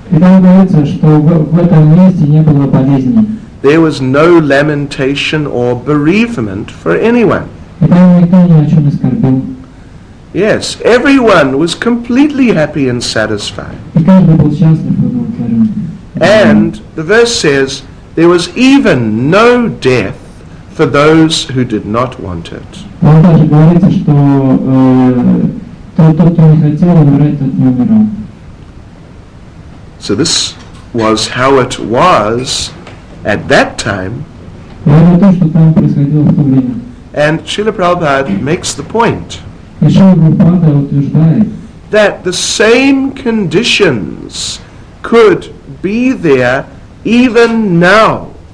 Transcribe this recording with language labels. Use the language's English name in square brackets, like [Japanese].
[Russian] И там говорится, что в этом месте не было болезни. [English] There was no lamentation or bereavement for anyone. [Russian] И там никто ни о чем не скорбил. [English] Yes, everyone was completely happy and satisfied. [Russian] И каждый был счастлив и удовлетворен. [English] And the verse says, there was even no death for those who did not want it. [Russian] Там также говорится, что тот, кто не хотел умирать, тот не умирал. [English] So this was how it was at that time. And Srila Prabhupada makes the point that the same conditions could be there even now.